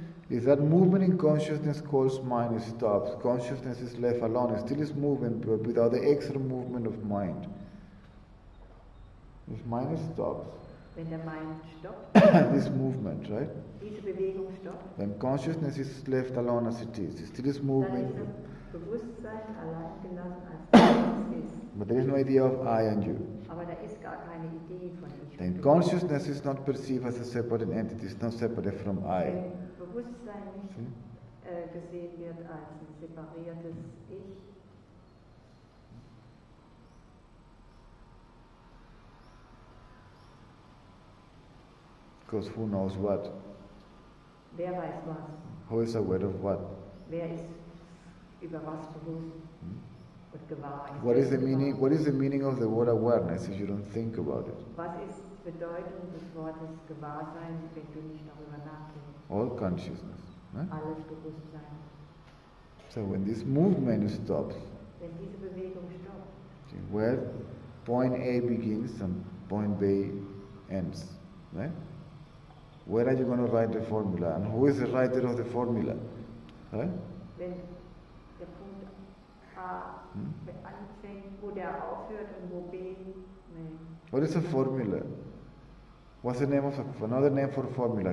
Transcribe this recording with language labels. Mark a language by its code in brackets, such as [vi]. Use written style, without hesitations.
[en] Is that movement in consciousness calls mind stops, consciousness is left alone, it still is moving, but without the extra movement of mind. If mind stops, when the mind stops, this movement, right? [de] Diese Bewegung stoppt, [en] when consciousness is left alone as it is, it still is moving. [de] Dann ist das Bewusstsein allein gelassen, als es ist. [en] But there is no idea of I and you. [de] Aber da ist gar keine Idee von ich. [en] Then consciousness is not perceived as a separate entity, it's not separate from I. [de] Wenn Bewusstsein nicht gesehen wird als ein separiertes Ich. [en] Because who knows what? [de] Wer weiß was? [en] Who is aware of what? [de] Wer ist über was bewusst und gewahr? [en] What is the meaning? What is the meaning of the word awareness if you don't think about it? [de] Was ist die Bedeutung des Wortes Gewahrsein, wenn du nicht darüber nachdenkst? [en] All consciousness. [de] Alles Bewusstsein. [en] So when this movement stops, [de] wenn diese Bewegung stoppt, [en] where point A begins and point B ends, right? Where are you going to write the formula? And who is the writer of the formula? Right? [de] Wenn der Punkt A anfängt, wo der aufhört und wo B. [en] What is a formula? What's the name of another name for formula?